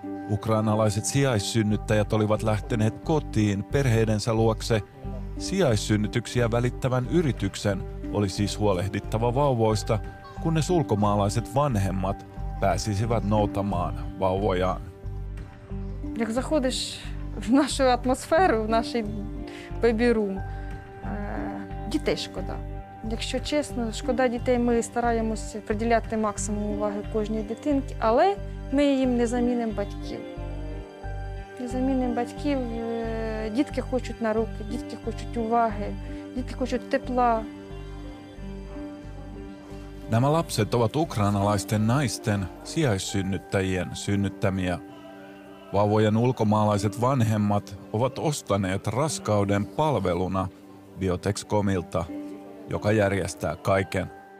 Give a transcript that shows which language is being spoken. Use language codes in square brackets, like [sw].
[fi] Ukrainalaiset sijaissynnyttäjät olivat lähteneet kotiin perheidensä luokse. Sijaissynnytyksiä välittävän yrityksen oli siis huolehdittava vauvoista, kunnes ulkomaalaiset vanhemmat pääsisivät noutamaan vauvojaan. [uk] Як заходиш в нашу атмосферу, в наш [en] baby room, [uk] дітей шкода. Якщо чесно, шкода дітей, ми стараємося приділяти максимум уваги кожній дитинці, але ми їм не замінимо батьків. Не замінимо батьків, дітки хочуть на руки, дітки хочуть уваги, дітки хочуть тепла. [fi] Nämä lapset ovat ukrainalaisten naisten sijaissynnyttäjien synnyttämiä. Vauvojen ulkomaalaiset vanhemmat ovat ostaneet raskauden palveluna Biotexcomilta, joka järjestää kaiken.